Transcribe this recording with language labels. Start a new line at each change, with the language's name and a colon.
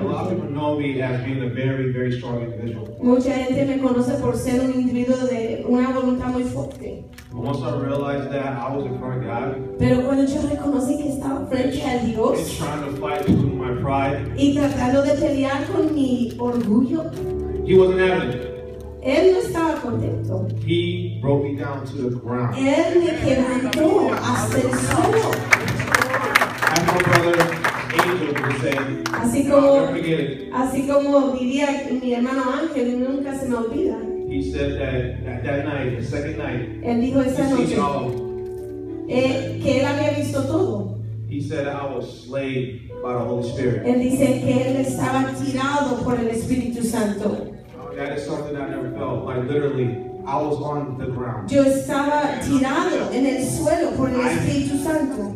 English: A lot of people know me as being a very, very strong individual.
Spanish: Mucha gente me conoce por ser un individuo de una voluntad muy fuerte.
English: But once I realized that I was in front of God.
Spanish: Pero cuando yo reconocí que estaba frente a Dios.
English: And trying to fight through my pride.
Spanish: Y tratando de pelear con mi orgullo.
English: He wasn't having it.
Spanish: Él no estaba contento.
English: He broke me down to the ground.
Spanish: Él me quebrantó hasta el suelo.
English: I know brother Angel was saying,
Spanish: así como diría mi hermano Ángel, nunca se me olvida.
English: He said that night, the second night.
Spanish: Él dijo esa noche. Que él había visto todo.
English: He said I was slain by the Holy Spirit.
Spanish: Él dice que él estaba tirado por el Espíritu Santo.
English: That is something I never felt. Like literally, I was on the ground.
Spanish: Yo estaba tirado en el suelo por el Espíritu Santo.